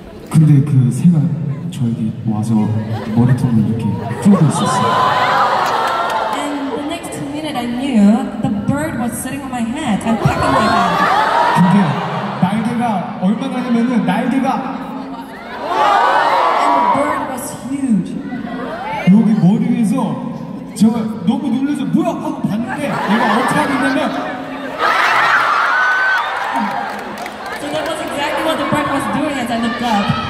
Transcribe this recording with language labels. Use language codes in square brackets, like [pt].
[ko] 근데 그 새가 저에게 와서 머리통을 이렇게 쪼고 있었어요. [en] birds sitting on my head and pecking my head. [ko] 근데 날개가 얼마나 되면은 날개가 [en] And the bird was huge. [ko] 여기 머리 위에서 제가 너무 놀라서 뭐야 하고 봤는데 얘가 어떻게 하고 있냐면 [en] So that was exactly what the bird was doing as I looked up.